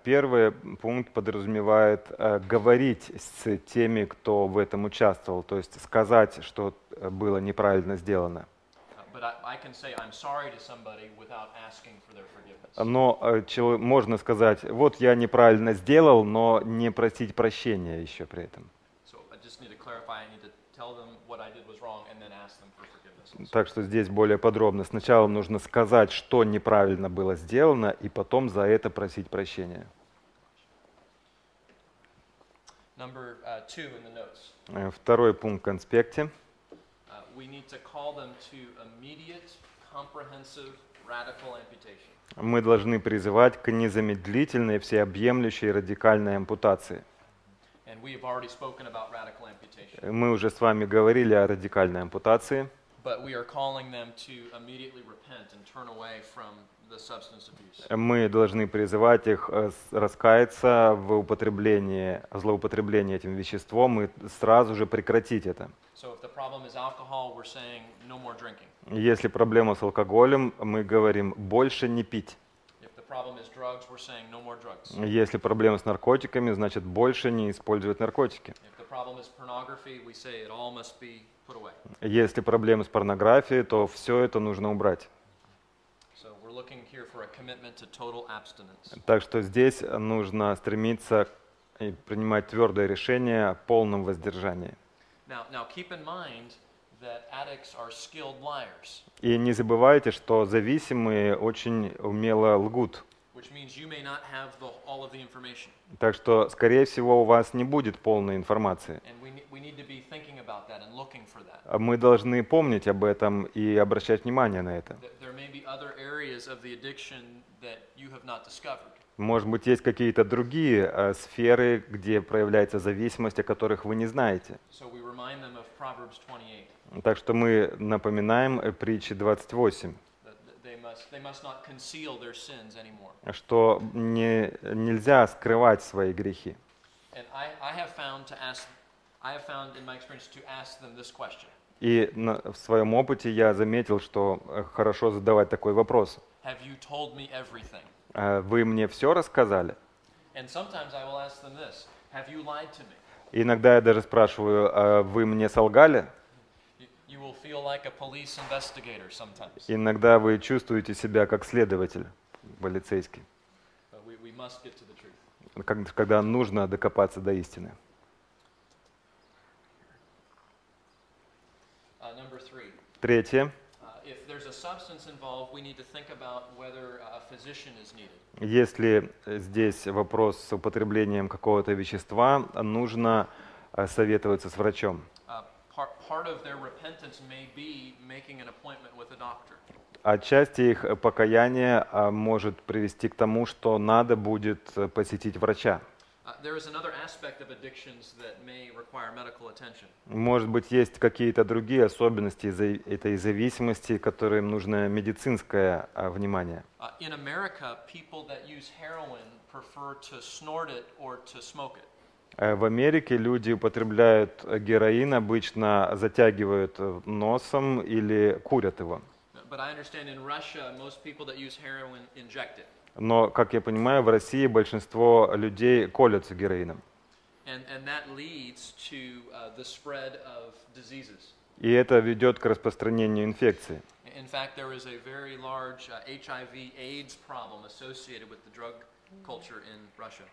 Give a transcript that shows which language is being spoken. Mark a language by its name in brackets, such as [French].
[Russian] Первый пункт подразумевает говорить с теми, кто в этом участвовал, то есть сказать, что было неправильно сделано. [English] But I can say I'm sorry to somebody without asking for their forgiveness. [Russian] Но можно сказать, вот я неправильно сделал, но не просить прощения еще при этом. [English] So I just need to clarify, I need to tell them what I did was wrong and then ask them for forgiveness. [Russian] Так что здесь более подробно. Сначала нужно сказать, что неправильно было сделано, и потом за это просить прощения. [English] Number two in the notes. [Russian] Второй пункт в конспекте. [English] We need to call them to immediate, comprehensive, radical amputation. [Russian] Мы должны призывать к незамедлительной, всеобъемлющей, радикальной ампутации. [English] And we have already spoken about radical amputation. [Russian] Мы уже с вами говорили о радикальной ампутации. [English] But we are calling them to immediately repent and turn away from the substance abuse. [Russian] Мы должны призывать их раскаяться в употреблении, злоупотреблении этим веществом и сразу же прекратить это. [English] So if the problem is alcohol, we're saying no more drinking. [Russian] Если проблема с алкоголем, мы говорим больше не пить. [English] If the problem is drugs, we're saying no more drugs. [Russian] Если проблема с наркотиками, значит больше не использовать наркотики. [English] If the problem is pornography, we say it all must be put away. [Russian] Если проблемы с порнографией, то все это нужно убрать. [English] So we're looking here for a commitment to total abstinence. [Russian] Так что здесь нужно стремиться и принимать твердое решение о полном воздержании. [English] Now keep in mind that addicts are skilled liars. [Russian] И не забывайте, что зависимые очень умело лгут. [English] Which means you may not have all of the information. [Russian] Так что, скорее всего, у вас не будет полной информации. [English] And we need to be thinking about that and looking for that. [Russian] Мы должны помнить об этом и обращать внимание на это. [English] There may be other areas of the addiction that you have not discovered. [Russian] Может быть, есть какие-то другие сферы, где проявляется зависимость, о которых вы не знаете. [English] So we remind them of Proverbs 28. [Russian] Так что мы напоминаем притчи 28. [English] They must not conceal their sins anymore. [Russian] Что нельзя скрывать свои грехи. [English] And I have found in my experience to ask them this question. [Russian] И в своем опыте я заметил, что хорошо задавать такой вопрос. [English] Have you told me everything? [Russian] Вы мне все рассказали? [English] And sometimes I will ask them this. Have you lied to me? [Russian] Иногда я даже спрашиваю, вы мне солгали? [English] You will feel like a police investigator sometimes. [Russian] Иногда вы чувствуете себя как следователь, полицейский. [English] But we must get to the truth. [Russian] Когда нужно докопаться до истины. [English] Number three. [Russian] Третье. [English] If there's a substance involved, we need to think about whether a physician is needed. [Russian] Если здесь вопрос с употреблением какого-то вещества, нужно советоваться с врачом. [English] Part of their repentance may be making an appointment with a doctor. [Russian] Отчасти их покаяние может привести к тому, что надо будет посетить врача. [English] There is another aspect of addictions that may require medical attention. [Russian] Может быть, есть какие-то другие особенности этой зависимости, которым нужно медицинское внимание. [English] In America, people that use heroin prefer to snort it or to smoke it. [Russian] В Америке люди употребляют героин, обычно затягивают носом или курят его. [English] But I understand in Russia, most people that use heroin inject it. [Russian] Но, как я понимаю, в России большинство людей колются героином. [English] And that leads to the spread of diseases. [Russian] И это ведет к распространению инфекции. [English] In fact, there is a very large HIV/AIDS problem associated with the drug culture in Russia.